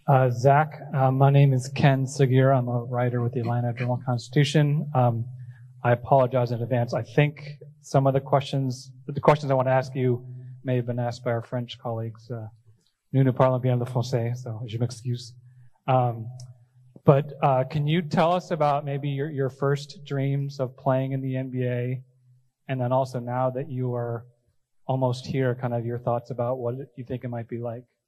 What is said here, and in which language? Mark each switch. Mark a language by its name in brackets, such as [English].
[English] Zach, my name is Ken Segura. I'm a writer with the Atlanta Journal-Constitution. I apologize in advance. I think some of the questions I want to ask you may have been asked by our French colleagues. [French] Nous ne parlons bien le français, [English] so [French] je m'excuse. [English] But can you tell us about maybe your first dreams of playing in the NBA, and then also now that you are almost here, kind of your thoughts about what you think it might be like?